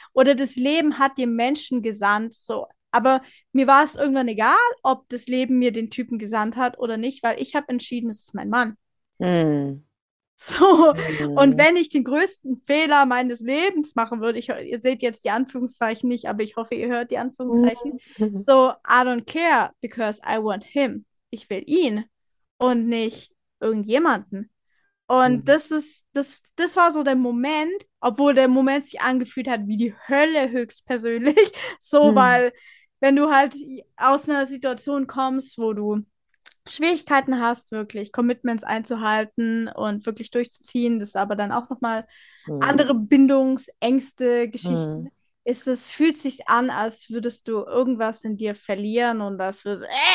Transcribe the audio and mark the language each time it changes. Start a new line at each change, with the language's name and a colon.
German: Oder das Leben hat dir Menschen gesandt, so. Aber mir war es irgendwann egal, ob das Leben mir den Typen gesandt hat oder nicht, weil ich habe entschieden, es ist mein Mann. So, und wenn ich den größten Fehler meines Lebens machen würde, ihr seht jetzt die Anführungszeichen nicht, aber ich hoffe, ihr hört die Anführungszeichen.
English: So, I don't care, because I want him.
German: Ich will ihn und nicht irgendjemanden. Und das war so der Moment, obwohl der Moment sich angefühlt hat wie die Hölle höchstpersönlich. So, weil wenn du halt aus einer Situation kommst, wo du Schwierigkeiten hast, wirklich Commitments einzuhalten und wirklich durchzuziehen, das ist aber dann auch nochmal andere Bindungsängste, Geschichten, ist es, fühlt sich an, als würdest du irgendwas in dir verlieren und als wäre